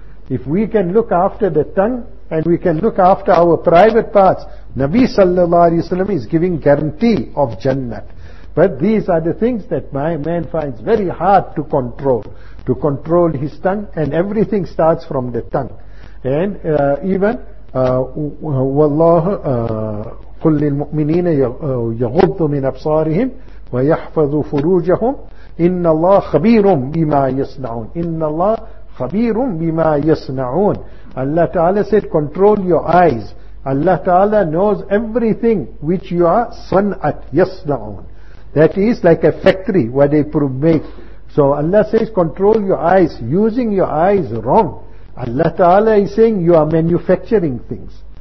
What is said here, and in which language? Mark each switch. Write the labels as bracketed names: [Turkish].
[English] If we can look after the tongue, and we can look after our private parts, Nabi sallallahu alayhi wa sallam is giving guarantee of Jannah. But these are the things that my man finds very hard to control. To control his tongue, and everything starts from the tongue. And even [Arabic] والله قل للمؤمنين يغضوا من أبصارهم ويحفظوا فروجهم إن الله خبير بما يصنعون. إن الله خبير بما يصنعون. [English] Allah Ta'ala said, control your eyes. Allah Ta'ala knows everything which you are sun'at yasna'un. That is like a factory where they make. So Allah says, control your eyes. Using your eyes wrong. Allah Ta'ala is saying, you are manufacturing things.